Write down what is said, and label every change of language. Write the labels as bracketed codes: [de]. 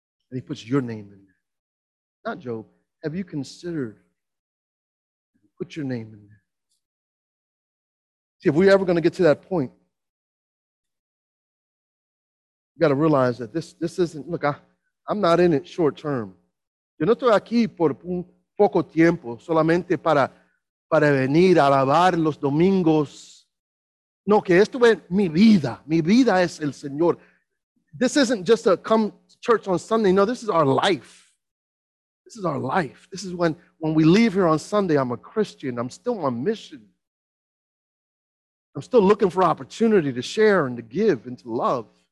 [en] And he puts your name in there. Not Job. Have you considered, put your name in there? See, if we're ever going to get to that point, you got to realize that this isn't, look, I'm not in it short term. [es] Yo no estoy aquí por un poco tiempo, solamente para venir a alabar los domingos. No, que esto es mi vida. Mi vida es el Señor. [en] This isn't just to come to church on Sunday. No, this is our life. This is our life. This is when we leave here on Sunday, I'm a Christian. I'm still on mission. I'm still looking for opportunity to share and to give and to love.